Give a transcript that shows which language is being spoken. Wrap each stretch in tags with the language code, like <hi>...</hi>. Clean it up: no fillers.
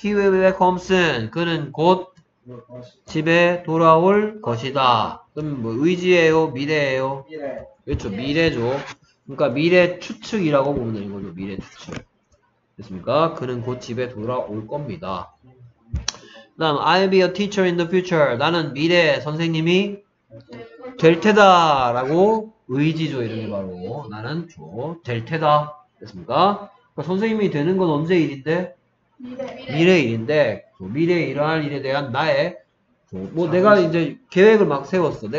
<en>He will be back home soon.</en> <ko>그는 곧 집에 돌아올 것이다. 그럼 뭐 의지예요? 미래예요? 미래. 그렇죠. 미래죠. 그러니까 미래 추측이라고 보면 되는 거죠. 미래 추측. 됐습니까? 그는 곧 집에 돌아올 겁니다. 다음,</ko> <en>I'll be a teacher in the future.</en> <ko>나는 미래 선생님이 될 테다. 라고 의지죠. 이런 게 바로. 나는 될 테다. 됐습니까? 그러니까 선생님이 되는 건 언제 일인데? 미래 일인데 미래에 일어날 일에 대한 나의 뭐 내가 이제 계획을 막 세웠어.</ko>